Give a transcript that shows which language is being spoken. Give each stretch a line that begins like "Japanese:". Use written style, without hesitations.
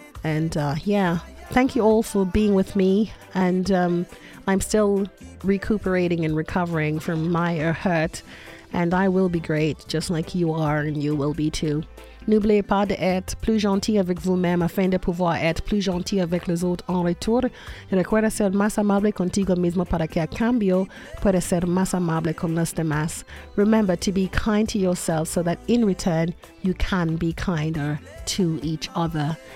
English: And yeah, thank you all for being with me. And I'm still recuperating and recovering from my hurt. And I will be great, just like you are and you will be too.
French: N'oubliez pas d'être plus gentil avec vous-même afin de pouvoir être plus gentil avec les autres en retour.
Spanish: Et recuerda ser más amable contigo mismo para que a cambio pueda ser más amable con los demás.
English: Remember to be kind to yourself so that in return you can be kinder to each other.